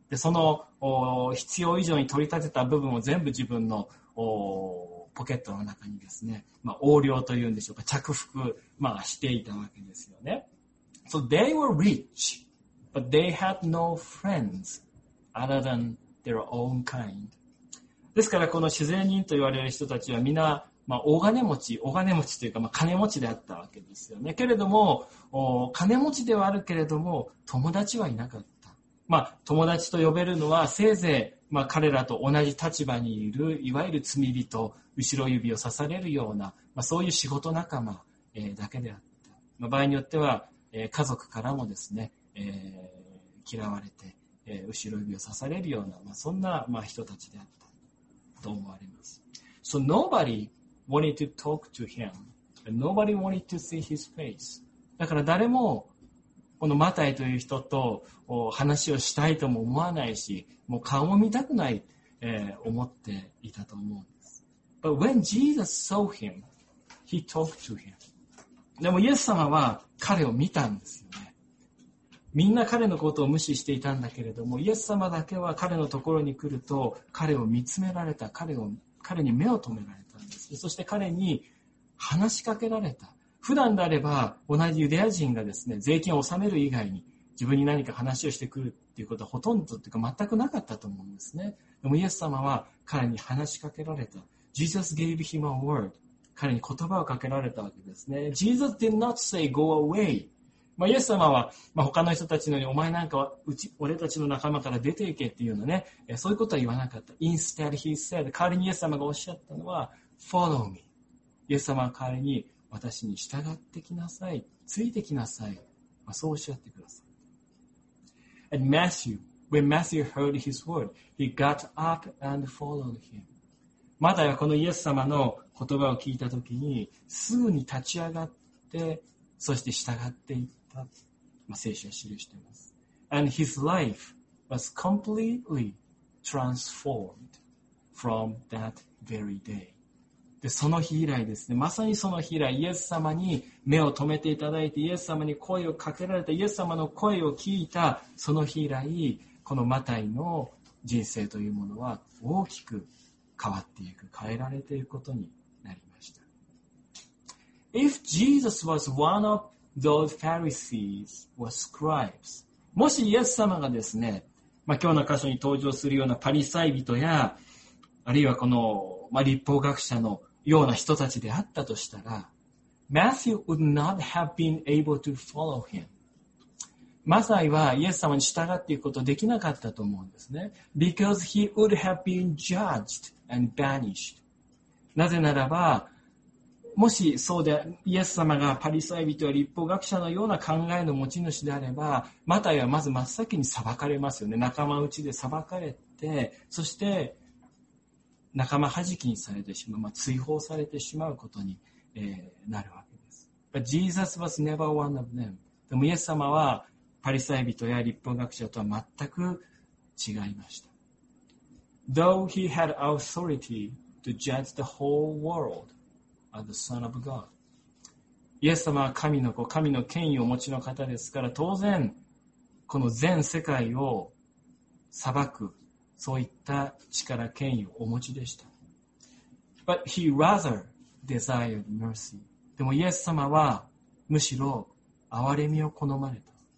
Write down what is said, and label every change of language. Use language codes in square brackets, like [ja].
[ja] で、その必要以上に取り立てた部分を全部自分のポケットの中にですね、まあ、横領というんでしょうか、着服、まあ、していたわけですよね。 [en] So they were rich, but they had no friends other than their own kind. [ja] ですから、この主税人と言われる人たちは皆、まあ、大金持ちというか、まあ、金持ちであったわけですよね。けれども、金持ちではあるけれども、友達はいなかった。まあ、友達と呼べるのは、せいぜい、まあ、彼らと同じ立場にいる、いわゆる罪人、後ろ指を刺されるような、まあ、そういう仕事仲間、だけであった。まあ、場合によっては、家族からもですね、嫌われて、後ろ指を刺されるような、まあ、そんな、まあ、人たちであったと思われます。 [en] So nobody wanted to talk to him. Nobody wanted to see his face. [ja] だから誰もこのマタイという人と話をしたいとも思わないし、もう顔も見たくない、思っていたと思うんです。 [en] But when Jesus saw him, he talked to him. [ja] でもイエス様は彼を見たんですよね。みんな彼のことを無視していたんだけれども、イエス様だけは彼のところに来ると彼を見つめられた、彼に目を留められたんです。そして彼に話しかけられた。普段であれば同じユダヤ人がですね、税金を納める以外に自分に何か話をしてくるっていうことはほとんどというか全くなかったと思うんですね。でもイエス様は彼に話しかけられた。 [en] Jesus gave him a word. [ja] 彼に言葉をかけられたわけですね。 [en] Jesus did not say go away. [ja] まあ、イエス様は、まあ、他の人たちのように、お前なんかは、俺たちの仲間から出ていけっていうのね、そういうことは言わなかった。 [en] Instead, he said, [ja] 代わりにイエス様がおっしゃったのは、 [en] follow me. [ja] イエス様は代わりに、私に従ってきなさい。ついてきなさい。まあ、そうおっしゃってください。 [en] And Matthew, when Matthew heard his word, he got up and followed him. [ja] マタイはこのイエス様の言葉を聞いたときに、すぐに立ち上がって、そして従っていった、まあ、聖書は記しています。 [en] And his life was completely transformed from that very day. [ja] で、その日以来ですね、まさにその日以来、イエス様に目を留めていただいて、イエス様に声をかけられた、イエス様の声を聞いた、その日以来、このマタイの人生というものは大きく変わっていく、変えられていくことに。 [en] If Jesus was one of those Pharisees or scribes, [ja] もしイエス様がですね、まあ、今日の箇所に登場するようなパリサイ人や、あるいはこの、まあ、律法学者のような人たちであったとしたら、 [en] Matthew would not have been able to follow him. [ja] マサイはイエス様に従っていくことできなかったと思うんですね。 [en] Because he would have been judged and banished. [ja] なぜならば、もしそうで、イエス様がパリサイ人や律法学者のような考えの持ち主であれば、マタイはまず真っ先に裁かれますよね。仲間内で裁かれて、そして仲間弾きにされてしまう、まあ、追放されてしまうことに、なるわけです。 [en] But Jesus was never one of them. [ja] でもイエス様はパリサイ人や律法学者とは全く違いました。 [en] Though he had authority to judge the whole world,The Son of God. [ja] イエス様は神の子、神の権威をお持ちの方ですから、当然この全世界を裁く、そういった力、権威をお持ちでした。 [en] But he rather desired mercy. [ja] でもイエス様はむしろ憐れみを好まれた。